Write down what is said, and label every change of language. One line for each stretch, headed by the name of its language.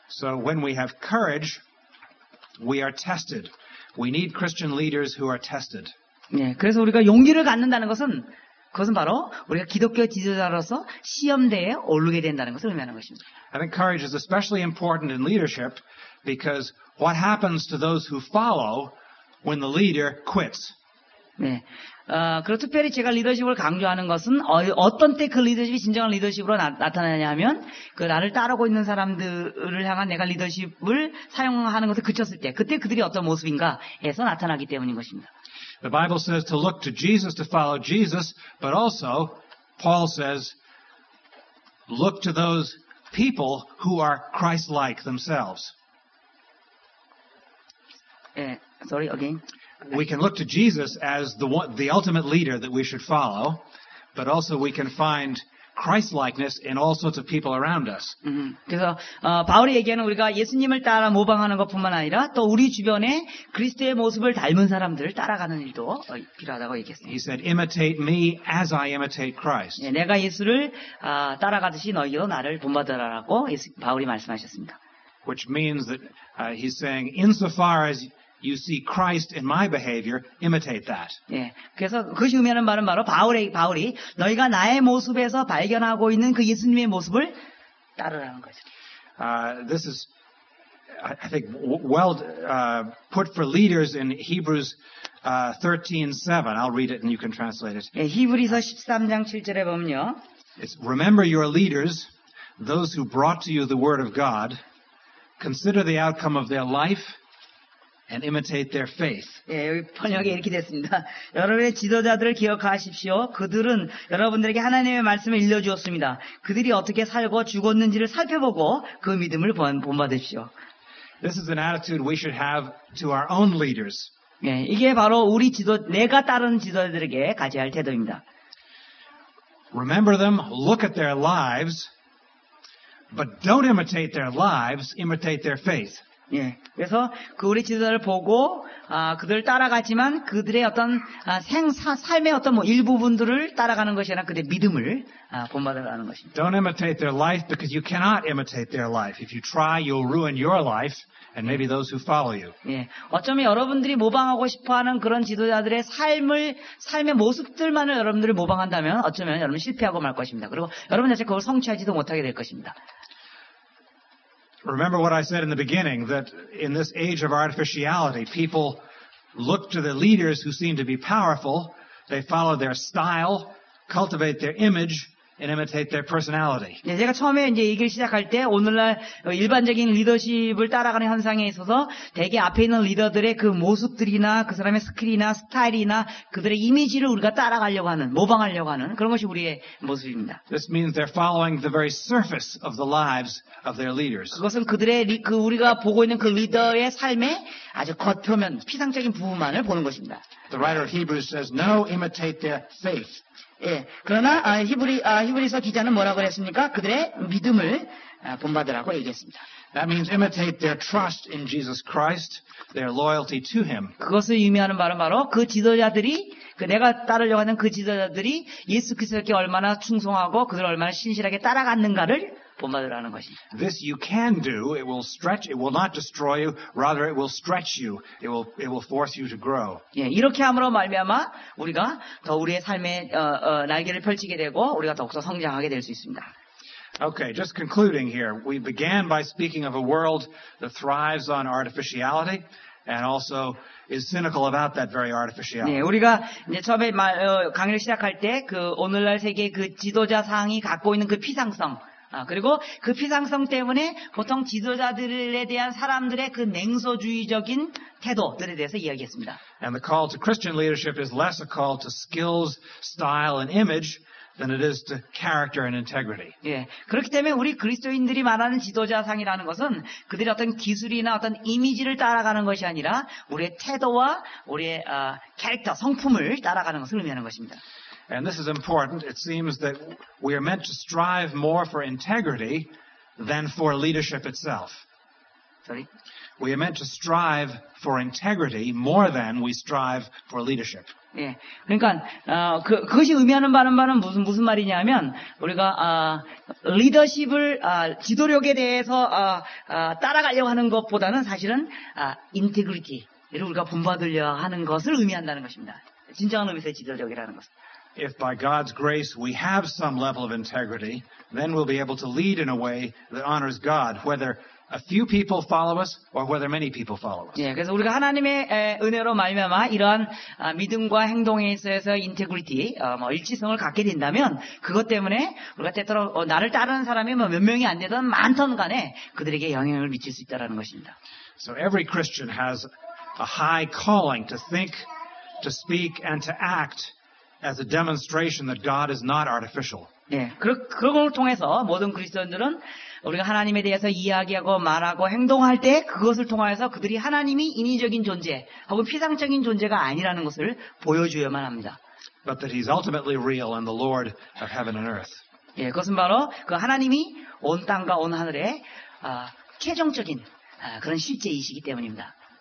English: So when we have courage, we are tested. We need Christian leaders who are tested.
Korean: 네, 그래서 우리가 용기를 갖는다는 것은 그것은 바로 우리가 기독교 지도자로서 시험대에 오르게 된다는 것을 의미하는 것입니다.
English: I think courage is especially important in leadership because what happens to those who follow when the leader quits.
Korean: 네. 그리고 특별히 제가 리더십을 강조하는 것은 어떤 때 그 리더십이 진정한 리더십으로 나타나냐면 그 나를 따르고 있는 사람들을 향한 내가 리더십을 사용하는 것에 그쳤을 때 그때 그들이 어떤 모습인가에서 나타나기 때문인 것입니다.
English: The Bible says to look to Jesus to follow Jesus, but also Paul says look to those people who are Christ-like themselves. 네, sorry again. We can look to Jesus as the ultimate leader that we should follow, but also we can find Christ-likeness in all sorts of people around us.
Korean: 그래서 바울이 얘기하는 우리가 예수님을 따라 모방하는 것뿐만 아니라 또 우리 주변에 그리스도의 모습을 닮은 사람들을 따라가는 일도 필요하다고 얘기했습니다.
English: He said, "Imitate me as I imitate Christ."
Korean: 네, 내가 예수를 따라가듯이 너희도 나를 본받으라라고 바울이 말씀하셨습니다.
English: Which means that he's saying, insofar as you see Christ in my behavior, imitate that.
Korean: 예, 그래서 그것이 의미하는 말은 바로 바울이 너희가 나의 모습에서 발견하고 있는 그 예수님의 모습을 따르라는 거죠.
English: This is, I think, well put for leaders in Hebrews 13:7. I'll read it and you can translate it.
Korean: 예, 히브리서 13장 7절에 보면요.
English: It's, remember your leaders, those who brought to you the word of God. Consider the outcome of their life. And imitate their faith.
Korean: 예, 여기 번역이 이렇게 됐습니다. 여러분의 지도자들을 기억하십시오. 그들은 여러분들에게 하나님의 말씀을 일러주었습니다. 그들이 어떻게 살고 죽었는지를 살펴보고 그 믿음을 본받으십시오.
English: This is an attitude we should have to our own leaders.
Korean: 예, 이게 바로 우리 지도, 내가 따르는 지도자들에게 가져야 할 태도입니다.
English: Remember them, look at their lives, but don't imitate their lives, imitate their faith.
Korean: 예, 그래서 그 우리 지도자를 보고 그들을 따라가지만 그들의 어떤 삶의 어떤 뭐 일부분들을 따라가는 것이 아니라 그들의 믿음을 본받으라는 것입니다.
English: Don't imitate their life because you cannot imitate their life. If you try, you'll ruin your life and maybe those who follow you.
Korean: 예, 어쩌면 여러분들이 모방하고 싶어하는 그런 지도자들의 삶의 모습들만을 여러분들이 모방한다면 어쩌면 여러분 실패하고 말 것입니다. 그리고 여러분 자체가 그걸 성취하지도 못하게 될 것입니다.
English: Remember what I said in the beginning, that in this age of artificiality, people look to the leaders who seem to be powerful, they follow their style, cultivate their image, and imitate their personality.
Korean: 네, 제가 처음에 이제 얘기를 시작할 때, 오늘날 일반적인 리더십을 따라가는 현상에 있어서, 대개 앞에 있는 리더들의 그 모습들이나, 그 사람의 스킬이나, 스타일이나, 그들의 이미지를 우리가 따라가려고 하는, 모방하려고 하는, 그런 것이 우리의 모습입니다.
English: This means they're following the very surface of the lives of their leaders.
Korean: 그것은 그들의, 그 우리가 보고 있는 그 리더의 삶의 아주 겉표면, 피상적인 부분만을 보는 것입니다.
English: The writer of Hebrews says, no, imitate their faith.
Korean: 예, 그러나 히브리서 기자는 뭐라고 그랬습니까? 그들의 믿음을 본받으라고 얘기했습니다.
English: That means imitate their trust in Jesus Christ, their loyalty to Him.
Korean: 그것을 의미하는 바로 그 지도자들이 그 내가 따르려고 하는 그 지도자들이 예수 그리스도께 얼마나 충성하고 그들을 얼마나 신실하게 따라갔는가를 본받으라는 것입니다.
English: This you can do. It will stretch. It will not destroy you. Rather, it will stretch you. It will force you to grow.
Korean: 예, 이렇게 함으로 말미암아 우리가 더 우리의 삶의 날개를 펼치게 되고 우리가 더욱더 성장하게 될 수 있습니다.
English: Okay, just concluding here. We began by speaking of a world that thrives on artificiality and also is cynical about that very artificiality.
Korean: 네, 우리가 이제 처음에 강의를 시작할 때 그 오늘날 세계 그 지도자 상이 갖고 있는 그 피상성. 그리고 그 피상성 때문에 보통 지도자들에 대한 사람들의 그 냉소주의적인 태도들에 대해서 이야기했습니다.
English: And the call to Christian leadership is less a call to skills, style, and image than it is to character and integrity.
Korean: 예, 그렇기 때문에 우리 그리스도인들이 말하는 지도자상이라는 것은 그들의 어떤 기술이나 어떤 이미지를 따라가는 것이 아니라 우리의 태도와 우리의 캐릭터, 성품을 따라가는 것을 의미하는 것입니다.
English: And this is important. It seems that we are meant to strive more for integrity than for leadership itself. Sorry? We are meant to strive for integrity more than we strive for leadership.
Korean: 예, 그러니까 그것이 의미하는 바는 무슨 말이냐면 우리가 리더십을 지도력에 대해서 따라가려고 하는 것보다는 사실은 인테그리티를 우리가 본받으려 하는 것을 의미한다는 것입니다. 진정한 의미에서 지도력이라는 것은.
English: If by God's grace we have some level of integrity, then we'll be able to lead in a way that honors God, whether a few people follow us or whether many people follow us.
Korean: 예, 그래서 우리가 하나님의 은혜로 말미암아 이러한 믿음과 행동에 있어서 인테그리티, 일치성을 갖게 된다면 그것 때문에 우리가 때때로 나를 따르는 사람이 뭐 몇 명이 안 되든 많든 간에 그들에게 영향을 미칠 수 있다라는 것입니다.
English: So every Christian has a high calling to think, to speak and to act as a demonstration that God is not artificial.
Korean: 예, 그걸 통해서 모든 그리스도인들은 우리가 하나님에 대해서 이야기하고 말하고 행동할 때 그것을 통해서 그들이 하나님이 인위적인 존재 혹은 피상적인 존재가 아니라는 것을 보여주어야만 합니다.
English: But that he's ultimately real and the Lord of heaven and earth.
Korean: 예, 그것은 바로 그 하나님이 온 땅과 온 하늘의 최종적인 그런 실제이시기 때문입니다.